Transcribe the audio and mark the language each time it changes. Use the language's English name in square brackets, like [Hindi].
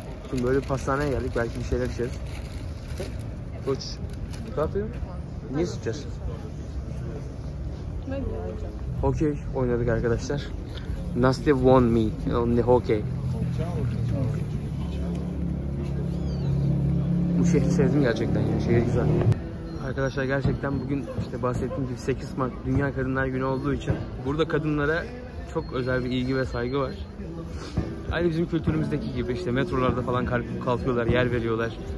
[Turkish] Şimdi böyle pastaneye geldik, belki bir şeyler içeriz. Koç, ne yapıyorsun? Hokey oynadık arkadaşlar. [English] Nastya won me on the hockey. [Turkish] Bu şehri sevdim gerçekten ya, şehir güzel. Arkadaşlar gerçekten bugün işte bahsettiğim gibi 8 Mart Dünya Kadınlar Günü olduğu için burada kadınlara çok özel bir ilgi ve saygı var. Aynı bizim kültürümüzdeki gibi işte metrolarda falan kalkıyorlar, yer veriyorlar.